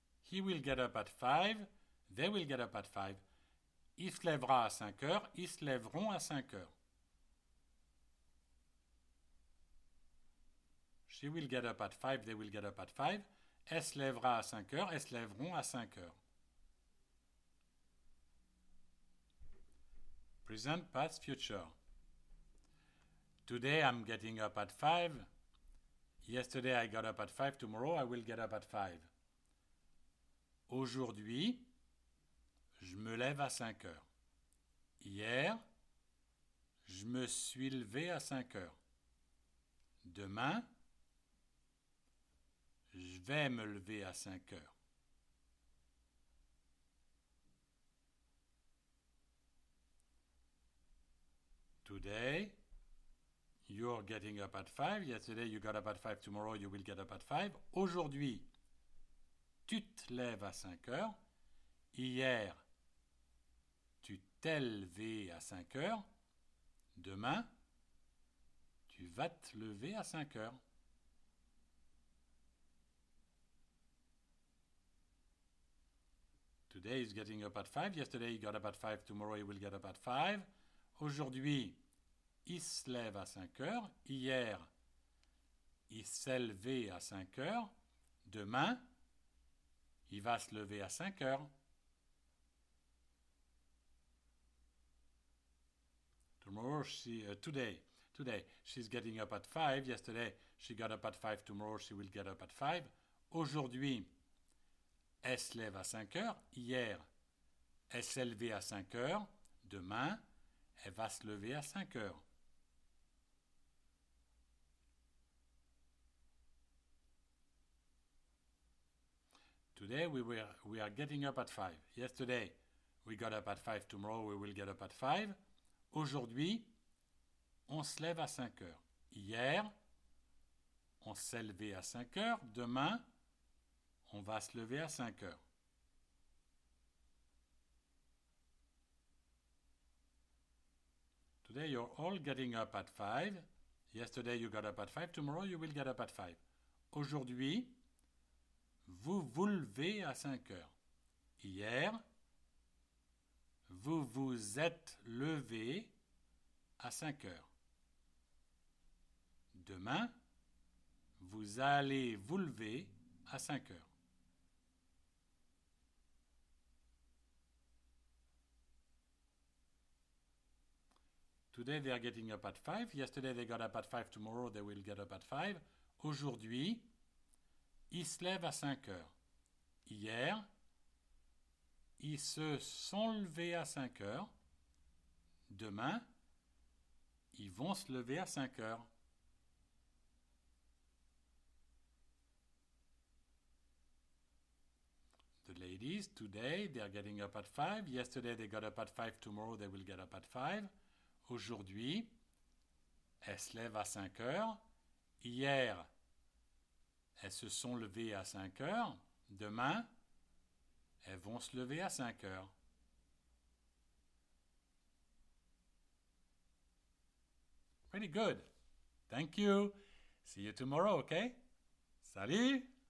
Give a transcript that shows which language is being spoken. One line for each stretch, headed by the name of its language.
English: He will get up at 5, they will get up at 5.
French: Il se lèvera à 5 heures, ils se lèveront à 5 heures.
English: She will get up at 5, they will get up at 5.
French: Elle se lèvera à 5 heures, elles se lèveront à 5 heures.
English: Present, past, future. Today I'm getting up at 5. Yesterday I got up at 5, tomorrow I will get up at 5.
French: Aujourd'hui, je me lève à 5 heures. Hier, je me suis levé à 5 heures. Demain, je vais me lever à 5 heures.
English: Today, you're getting up at 5. Yesterday, you got up at 5. Tomorrow, you will get up at 5.
French: Aujourd'hui, tu te lèves à 5 heures. Hier, tu t'es levé à 5 heures. Demain, tu vas te lever à 5 heures.
English: Today is getting up at 5. Yesterday, he got up at 5. Tomorrow, he will get up at 5.
French: Aujourd'hui, il se lève à 5 heures. Hier, il s'est levé à 5 heures. Demain, il va se lever à 5 heures.
English: Tomorrow she, today she's getting up at 5. Yesterday she got up at 5. Tomorrow she will get up at 5.
French: Aujourd'hui, elle se lève à 5 heures. Hier, elle s'est levée à 5 heures. Demain, elle va se lever à 5 heures.
English: Today we are getting up at 5. Yesterday we got up at 5. Tomorrow we will get up at 5.
French: Aujourd'hui, on se lève à 5 heures. Hier, on s'est levé à 5 heures. Demain, on va se lever à 5 heures.
English: Today you're all getting up at 5. Yesterday you got up at 5. Tomorrow you will get up at 5.
French: Aujourd'hui, vous vous levez à 5 heures. Hier, vous vous êtes levé à 5 heures. Demain, vous allez vous lever à 5 heures.
English: Today they are getting up at 5. Yesterday they got up at 5. Tomorrow they will get up at 5.
French: Aujourd'hui, ils se lèvent à 5 heures. Hier, ils se sont levés à 5 heures. Demain, ils vont se lever à 5 heures.
English: The ladies, today, they are getting up at 5. Yesterday, they got up at 5. Tomorrow, they will get up at 5.
French: Aujourd'hui, elles se lèvent à 5 heures. Hier, elles se sont levées à 5 heures. Demain, Elles vont se lever à 5 heures.
English: Pretty good. Thank you. See you tomorrow, okay? Salut!